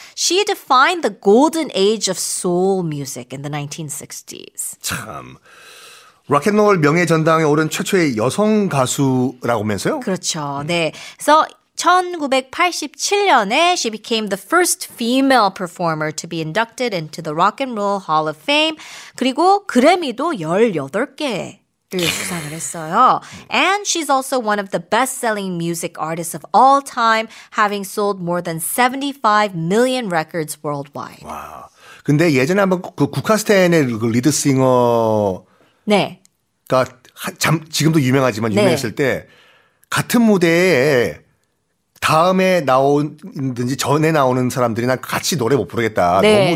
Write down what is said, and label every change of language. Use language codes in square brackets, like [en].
[en] She defined the golden age of soul music in the 1960s. [ko] 참. 락앤롤 명예 전당에 오른 최초의 여성 가수라고면서요? 그렇죠. 네. [en] So 1987년에 she became the first female performer to be inducted into the Rock and Roll Hall of Fame. [ko] 그리고 그래미도 18개를 수상을 했어요. [en] And she's also one of the best-selling music artists of all time, having sold more than 75 million records worldwide. [ko] 와, 근데 예전에 한번 그 구카스텐의 그 리드 싱어가 지금도 유명하지만 유명했을 때 같은 무대에 다음에 나오든지 전에 나오는 사람들이 난 같이 노래 못 부르겠다. 네.